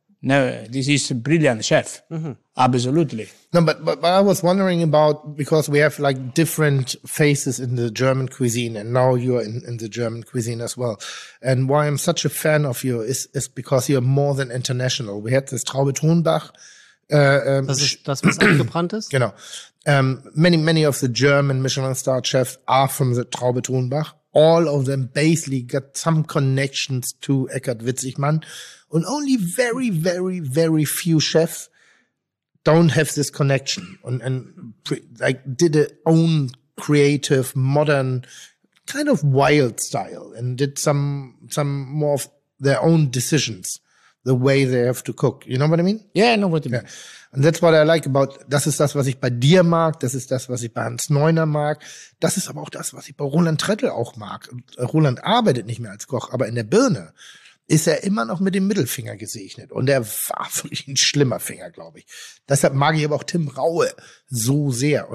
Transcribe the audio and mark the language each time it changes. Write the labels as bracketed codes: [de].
[en] No, this is a brilliant chef. Mm-hmm. Absolutely. No, but I was wondering about, because we have like different faces in the German cuisine, and now you're in the German cuisine as well. And why I'm such a fan of you is because you're more than international. We had this Traube Thunbach. [de] Das ist das, was angebrannt ist? Genau. [en] Many of the German Michelin star chefs are from the Traube Thunbach. All of them basically got some connections to Eckhard Witzigmann. And only very, very, very few chefs don't have this connection and like did their own creative, modern, kind of wild style and did some more of their own decisions, the way they have to cook. You know what I mean? Yeah, I know what you mean. And that's what I like about, [de] das ist das, was ich bei dir mag, das ist das, was ich bei Hans Neuner mag, das ist aber auch das, was ich bei Roland Trettl auch mag. Und Roland arbeitet nicht mehr als Koch, aber in der Birne ist er immer noch mit dem Mittelfinger gesegnet. Und er war wirklich ein schlimmer Finger, glaube ich. Deshalb mag ich aber auch Tim Raue so sehr.